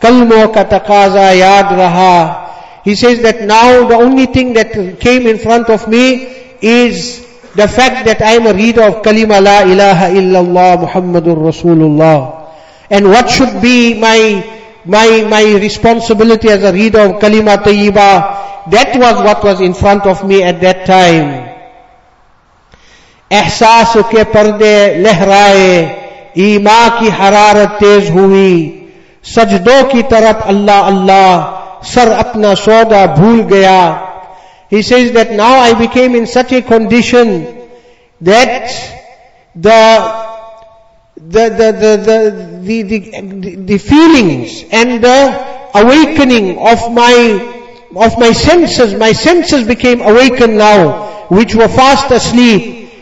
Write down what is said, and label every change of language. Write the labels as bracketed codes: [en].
[ur] Kalmo ka taqaza yaad raha. [en] He says that now the only thing that came in front of me is the fact that I am a reader of Kalima La ilaha illallah Muhammadur Rasulullah. And what should be my responsibility as a reader of Kalima Tayyiba? That was what was in front of me at that time. [ur] احساس کے پردے لہرائے ایمان کی حرارت تیز ہوئی سجدوں کی طرف اللہ اللہ سر اپنا سودا بھول گیا. [en] He says that now I became in such a condition that the feelings and the awakening of my senses, my senses became awakened now which were fast asleep.